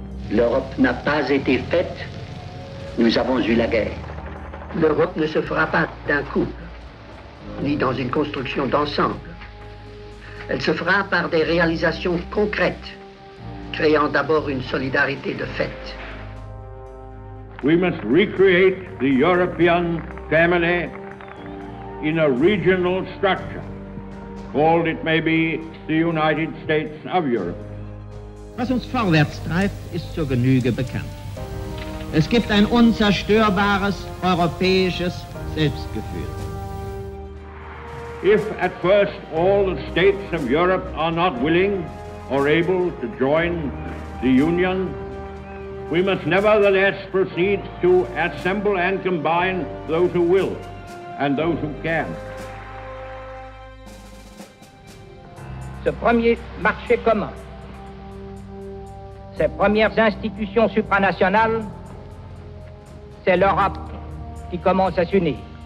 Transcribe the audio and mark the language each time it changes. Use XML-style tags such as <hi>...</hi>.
<fr>L'Europe n'a pas été faite, nous avons eu la guerre. L'Europe ne se fera pas d'un coup, ni dans une construction d'ensemble. Elle se fera par des réalisations concrètes, créant d'abord une solidarité de fait.</fr> <en>We must recreate the European family in a regional structure, called it maybe the United States of Europe.</en> <de>Was uns vorwärts treibt, ist zur Genüge bekannt. Es gibt ein unzerstörbares europäisches Selbstgefühl.</de> <en>If at first all the states of Europe are not willing or able to join the Union, we must nevertheless proceed to assemble and combine those who will and those who can.</en> <fr>Ce premier marché commun, ces premières institutions supranationales, c'est l'Europe qui commence à s'unir.</fr>